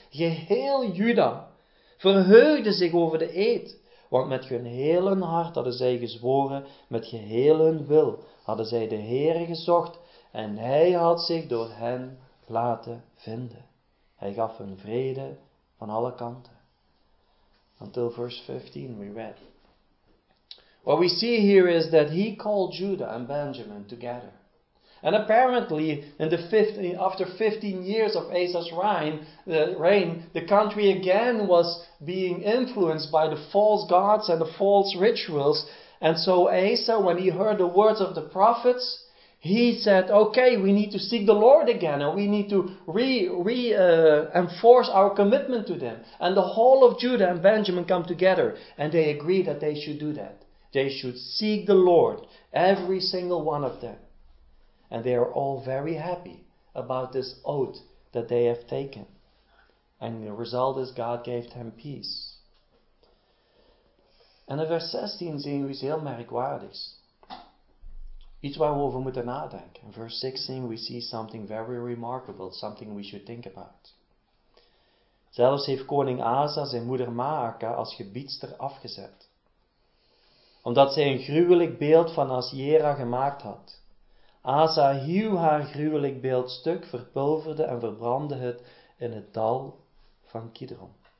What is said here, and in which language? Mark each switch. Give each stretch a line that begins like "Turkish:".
Dutch: Geheel Juda verheugde zich over de eed, want met hun heel hun hart hadden zij gezworen, met geheel hun wil hadden zij de Heere gezocht en hij had zich door hen laten vinden. Hij gaf hun vrede van alle kanten.
English: Until verse 15 we read. What we see here is that he called Judah and Benjamin together. And apparently, after 15 years of Asa's reign, the country again was being influenced by the false gods and the false rituals. And so Asa, when he heard the words of the prophets, he said, okay, we need to seek the Lord again and we need to reinforce our commitment to them. And the whole of Judah and Benjamin come together and they agree that they should do that. They should seek the Lord, every single one of them. And they are all very happy about this oath that they have taken. And the result is God gave them peace.
Dutch: En in vers 16 zien we iets heel merkwaardigs. Iets waar we over moeten nadenken.
English: In vers 16 we see something very remarkable, something we should think about.
Dutch: Zelfs heeft koning Asa zijn moeder Maaka als gebiedster afgezet. Omdat zij een gruwelijk beeld van Asjera gemaakt had. Asa hieuw haar gruwelijk beeld stuk, verpulverde en verbrandde het in het dal van Kidron.